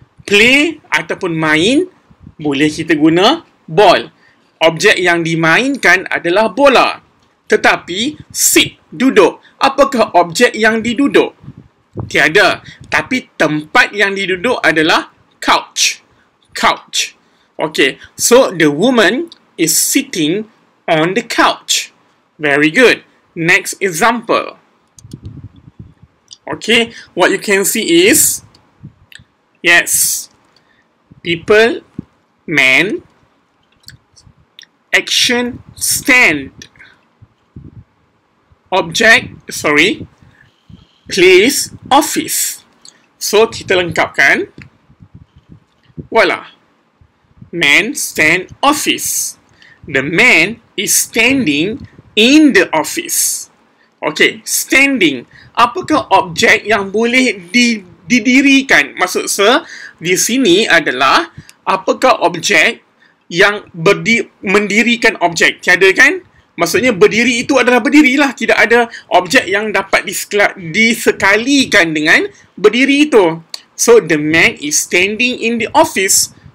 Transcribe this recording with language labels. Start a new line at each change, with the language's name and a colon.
Malay: Play ataupun main, boleh kita guna ball. Objek yang dimainkan adalah bola. Tetapi, sit, duduk. Apakah objek yang diduduk? Tiada. Tapi, tempat yang diduduk adalah couch.
English: Couch. Okay, so the woman is sitting on the couch. Very good. Next example. Okay, what you can see is, yes, people, man, action, stand, object, sorry, place, office.
Malay: So, kita lengkapkan. Voila.
English: Man, stand, office. The man is standing in the office. Okay, standing.
Malay: Apakah objek yang boleh didirikan? Maksud saya, di sini adalah apakah objek yang mendirikan objek? Tiada kan? Maksudnya, berdiri itu adalah berdirilah. Tidak ada objek yang dapat disekalikan dengan berdiri itu.
English: So, the man is standing in the office.